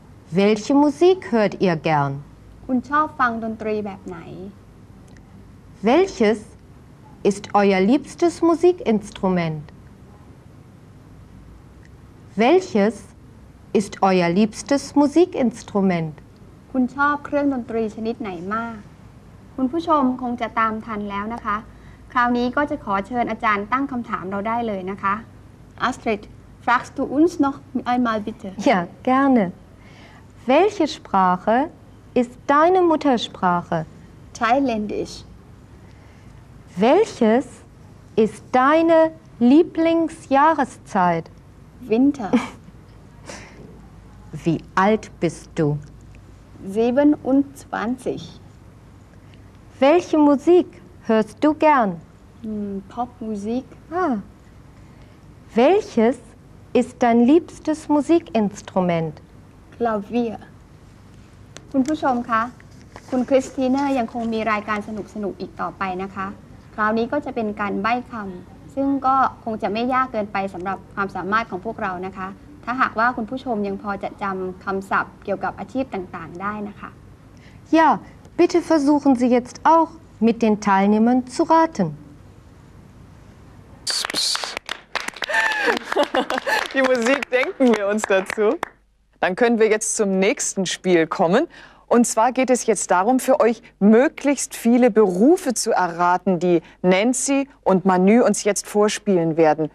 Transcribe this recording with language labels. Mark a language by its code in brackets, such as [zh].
[de] Welche Musik hört ihr gern? [th] คุณชอบฟังดนตรีแบบไหน [de] Welches ist euer liebstes Musikinstrument? Welches ist euer liebstes Musikinstrument? [th] คุณชอบเครื่องดนตรีชนิดไหนมากคุณผู้ชมคงจะตามทันแล้วนะคะคราวนี้ก็จะขอเชิญอาจารย์ตั้งคำถามเราได้เลยนะคะ [de] Astrid, fragst du uns noch einmal bitte? Ja, gerne. Welche Sprache ist deine Muttersprache? Thailändisch. Welches ist deine Lieblingsjahreszeit? Winter. Wie alt bist du? 27. Welche Musik hörst du gern? Popmusik. Ah. Welches ist dein liebstes Musikinstrument? Klavier. [th] คุณผู้ชมคะคุณคริสติน่ายังคงมีรายการสนุกสนุกอีกต่อไปนะคะคราวนี้ก็จะเป็นการใบ้คำซึ่งก็คงจะไม่ยากเกินไปสำหรับความสามารถของพวกเรานะคะถ้าหากว่าคุณผู้ชมยังพอจะจำคำศัพท์เกี่ยวกับอาชีพต่างๆได้นะคะ [de] Ja, bitte versuchen Sie jetzt auch mit den Teilnehmern zu raten Die Musik denken wir uns dazu. Dann können wir jetzt zum nächsten Spiel kommen. Und zwar geht es jetzt darum, für euch möglichst viele Berufe zu erraten, die Nancy und Manu uns jetzt vorspielen werden.